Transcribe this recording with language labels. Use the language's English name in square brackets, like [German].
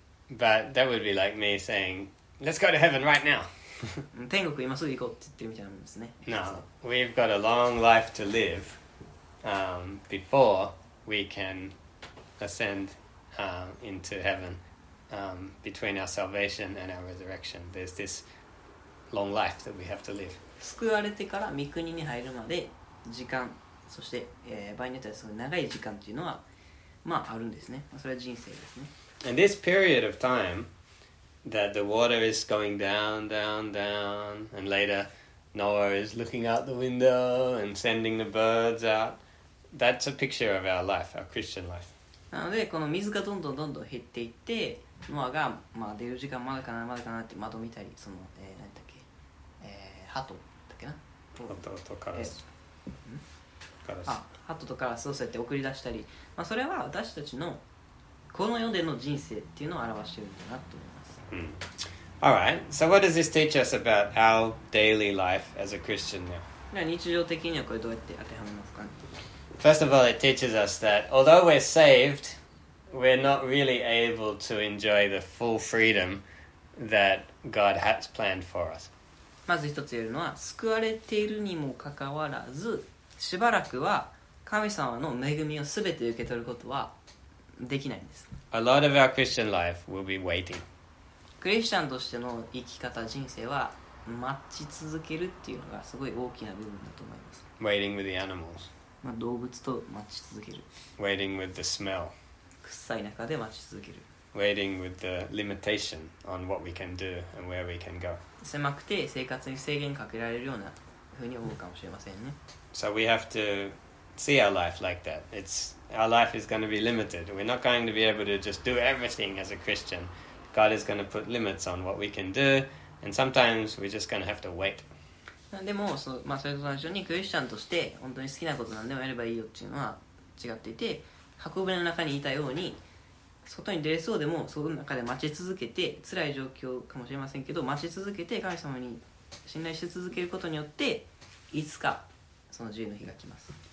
[English] But that would be like me saying, let's go to heaven right now. [Japanese] 天国今すぐ行こうって言ってるみたいなんですね。 [English] No, we've got a long life to live, before we can ascend, into heaven, between our salvation and our resurrection. There's this long life that we have to live. [Japanese] 救われてから御国に入るまで時間、そして、場合によってはその長い時間っていうのは、まああるんですね。それは人生ですね。 [English] And this period of time that the water is going down, down, down, and later Noah is looking out the window and sending the birds out, that's a picture of our life, our Christian life. [Japanese] なので、この水がどんどんどんどん減っていって、ノアが、まあ、出る時間まだかな、まだかなって窓見たり、その、何だっけ、ハトだっけな。ハトとカラス。カラス。あ、ハトとカラスをそうやって送り出したり、まあ、それは私たちの、この世での人生っていうのを表してるんだなと思います。 [English] Alright, so what does this teach us about our daily life as a Christian now? [Japanese] じゃあ日常的にはこれどうやって当てはめますか、ね、 [English] First of all, it teaches us that although we're saved, we're not really able to enjoy the full freedom that God has planned for us. [Japanese] まず一つ言えるのは、救われているにもかかわらず、しばらくは神様の恵みをすべて受け取ることはできないんです。 [English] A lot of our Christian life will be waiting. [Japanese] クリスチャンとしての生き方、人生は待ち続けるっていうのがすごい大きな部分だと思います。 [English] Waiting with the animals. [Japanese] まあ、動物と待ち続ける。 [English] Waiting with the smell. [Japanese] 臭い中で待ち続ける。 [English] Waiting with the limitation on what we can do and where we can go. [Japanese] 狭くて生活に制限かけられるようなふうに思うかもしれませんね。 [English] So we have to see our life like that. It's, our life is going to be limited. We're not going to be able to just do everything as a Christian. God is going to put limits on what we can do. And sometimes we're just going to have to wait. [Japanese] でも、まあ、それと同じようにクリスチャンとして本当に好きなことなんでもやればいいよっていうのは違っていて、箱舟の中にいたように外に出れそうでもその中で待ち続けて、辛い状況かもしれませんけど待ち続けて神様に信頼し続けることによっていつかその自由の日が来ます。